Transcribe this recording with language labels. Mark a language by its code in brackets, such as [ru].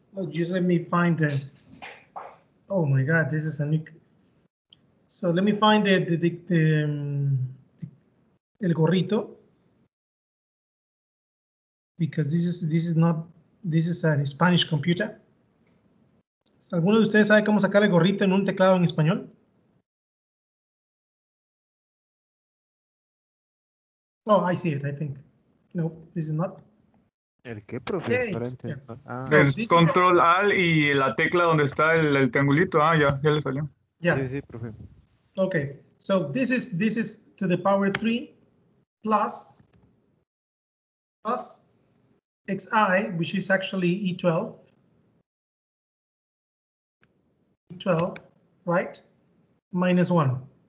[en] Well, just let me find it. Oh my god, this is a new. So let me find [es] el gorrito, [en] because this is a Spanish computer. [es] ¿Alguno de ustedes sabe cómo sacar el gorrito en un teclado en español? [en] Oh, I see it, I think. Nope, this is not. [es] ¿El qué, profe? Okay. Para [en] entender. Yeah. Ah. So, control is... [es] Al y la tecla donde está el triangulito. Ah, ya, ya le salió. [en] Yeah. [es] Sí, sí, profe. [en] Okay, so this is to the power 3 plus xi, which is actually E12, right, minus 1.